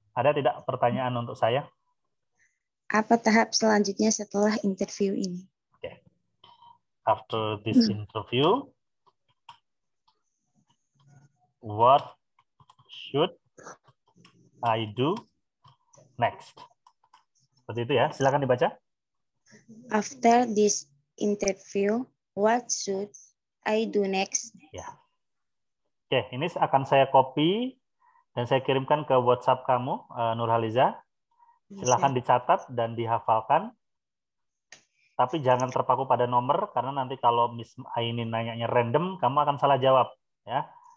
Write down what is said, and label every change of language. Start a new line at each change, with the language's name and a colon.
Indonesian: Ada tidak pertanyaan untuk saya? Apa tahap selanjutnya setelah interview ini?
English: After this interview, what should I do next?
Indonesian: Seperti itu ya, silakan dibaca.
English: After this interview, what should I do next?
Indonesian: Ya. Oke, ini akan saya copy dan saya kirimkan ke WhatsApp kamu, Nurhaliza. Silakan yes, dicatat dan dihafalkan. Tapi jangan terpaku pada nomor, karena nanti kalau Miss Aini nanyanya random, kamu akan salah jawab, ya.